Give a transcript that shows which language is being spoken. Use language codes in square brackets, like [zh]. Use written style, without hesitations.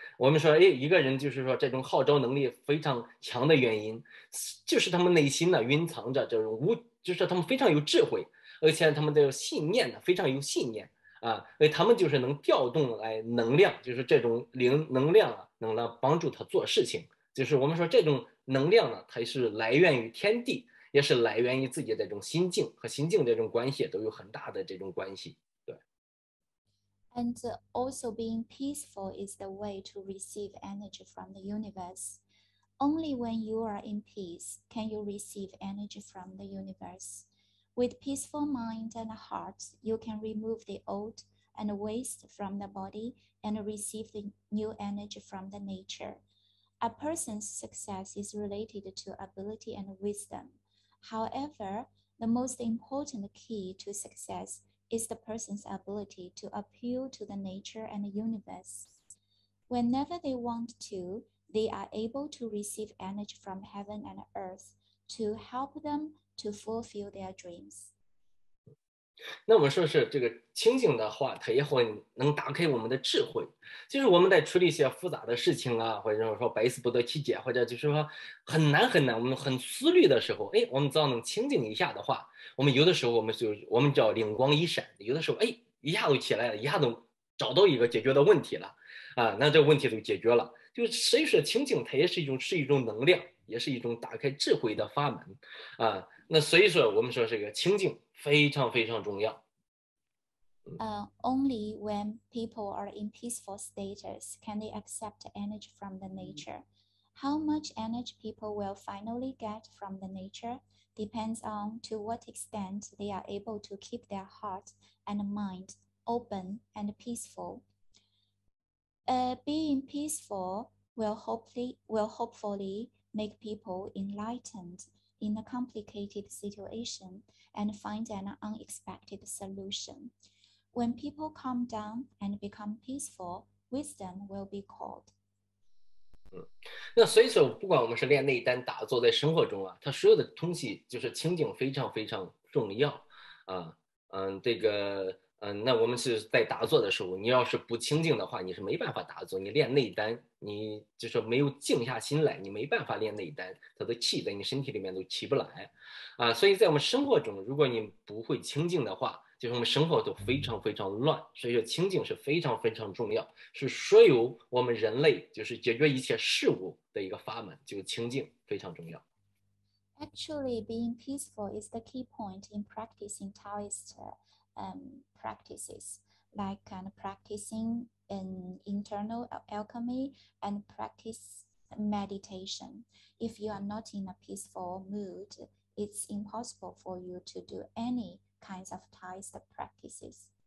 [zh] 我们说哎，一个人就是说这种号召能力非常强的原因，就是他们内心呢蕴藏着这种就是他们非常有智慧，而且他们的信念呢非常有信念啊，因为他们就是能调动来能量，就是这种灵能量啊，能来帮助他做事情。就是我们说这种能量呢，它是来源于天地，也是来源于自己的这种心境，和心境这种关系都有很大的这种关系。对。 [en] And also being peaceful is the way to receive energy from the universe. Only when you are in peace can you receive energy from the universe. With peaceful mind and heart, you can remove the old and waste from the body and receive the new energy from the nature. A person's success is related to ability and wisdom. However, the most important key to success is the person's ability to appeal to the nature and the universe. Whenever they want to, they are able to receive energy from heaven and earth to help them. To fulfill their dreams. [zh] 那我们说是这个清静的话，它也会能打开我们的智慧。就是我们在处理一些复杂的事情啊，或者说百思不得其解，或者就是说很难很难，我们很思虑的时候，哎，我们只要能清静一下的话，我们有的时候我们叫灵光一闪，有的时候哎一下都起来了，一下都找到一个解决的问题了啊，那这问题就解决了。就是所以说清静，它也是一种能量，也是一种打开智慧的阀门啊。那所以说我们说这个清静非常非常重要。 [en] Only when people are in peaceful status can they accept energy from the nature. How much energy people will finally get from the nature depends on to what extent they are able to keep their heart and mind open and peaceful. Being peaceful will hopefully make people enlightened. In a complicated situation and find an unexpected solution. When people calm down and become peaceful, wisdom will be called. [zh] 那所以说不管我们是练内丹打坐在生活中啊，它所有的东西就是清静非常非常重要啊。嗯，这个嗯，那我们是在打坐的时候，你要是不清静的话，你是没办法打坐，你练内丹，你就是没有静下心来，你没办法练内丹，它的气在你身体里面都起不来啊。所以在我们生活中，如果你不会清静的话， 就是我们生活都非常非常乱，所以说清静是非常非常重要，是所有我们人类就是解决一切事物的一个法门，就清静非常重要。 [en] Actually, being peaceful is the key point in practicing Taoist practices, like and practicing an internal alchemy and practice meditation. If you are not in a peaceful mood, it's impossible for you to do any kinds of ties the practices.